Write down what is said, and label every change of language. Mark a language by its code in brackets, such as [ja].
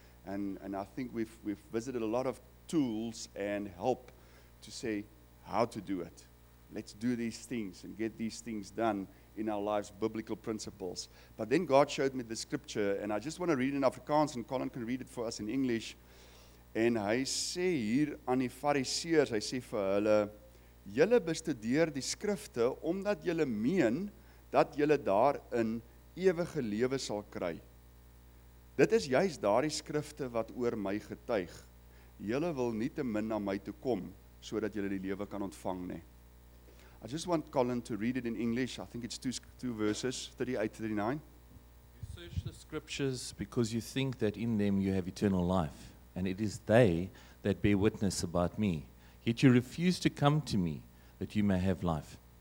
[en] And I think we've visited a lot of tools and help to say how to do it. Let's do these things and get these things done in our lives, biblical principles. But then God showed me the scripture, and I just want to read it in Afrikaans, and Colin can read it for us in English. [af] En hy sê hier aan die fariseërs, hy sê vir hulle, julle bestudeer die skrifte omdat julle meen dat julle daarin ewige lewe sal kry. Dit is juist daardie skrifte wat oor my getuig. Julle wil nie te min na my toe kom, sodat julle die lewe kan ontvang nie. [en] I just want Colin to read it in English. I think it's two verses, 38-39. You search the scriptures because you think that in them you have eternal life. And it is they that bear witness about me. Yet you refuse to come to me that you may have life.